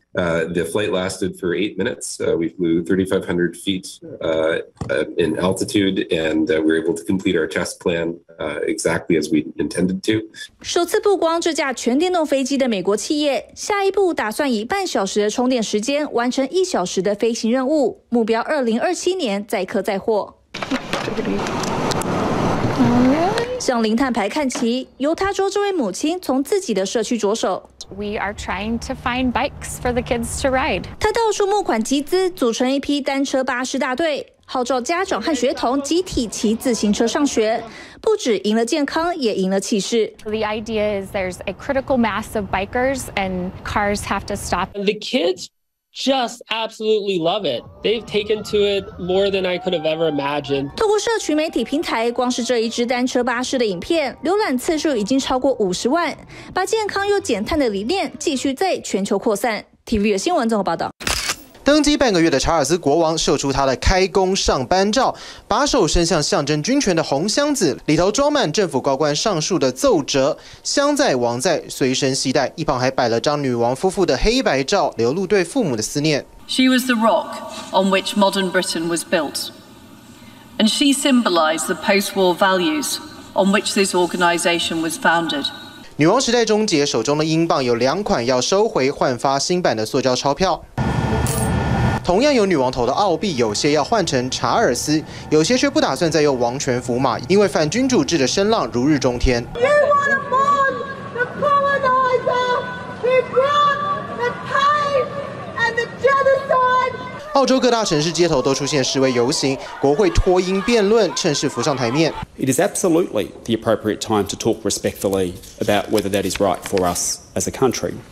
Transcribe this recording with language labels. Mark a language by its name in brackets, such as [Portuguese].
[English] The flight lasted for 8 minutes. We flew 3,500 feet in altitude, and we were able to complete our test plan exactly as we intended to. [Chinese] 首次曝光这架全电动飞机的美国企业，下一步打算以半小时的充电时间完成一小时的飞行任务，目标2027年载客载货。向零碳排看齐，犹他州这位母亲从自己的社区着手。 [English] We are trying to find bikes for the kids to ride. [Chinese] 他到处募款集资，组成一批单车巴士大队，号召家长和学童集体骑自行车上学，不止赢了健康，也赢了气势。 [English] The idea is there's a critical mass of bikers and cars have to stop. The kids just absolutely love it. They've taken to it more than I could have ever imagined. [Chinese] 透过社群媒体平台，光是这一支单车巴士的影片，浏览次数已经超过50万，把健康又减碳的理念继续在全球扩散。 TVBS 新闻综合报道。登基半个月的查尔斯国王秀出他的开工上班照，把手伸向象征军权的红箱子，里头装满政府高官上述的奏折，镶在王在随身携带，一旁还摆了张女王夫妇的黑白照，流露对父母的思念。 [English] She was the rock on which modern Britain was built, and she symbolized the post-war values on which this organization was founded. [Chinese] 女王时代终结，手中的英镑有两款要收回，换发新版的塑胶钞票。同样有女王头的澳币，有些要换成查尔斯，有些却不打算再用王权符码，因为反君主制的声浪如日中天。澳洲各大城市街头都出现示威游行，国会脱英辩论趁势浮上台面。 [English] It is absolutely the appropriate time to talk respectfully about whether that is right for us as a country.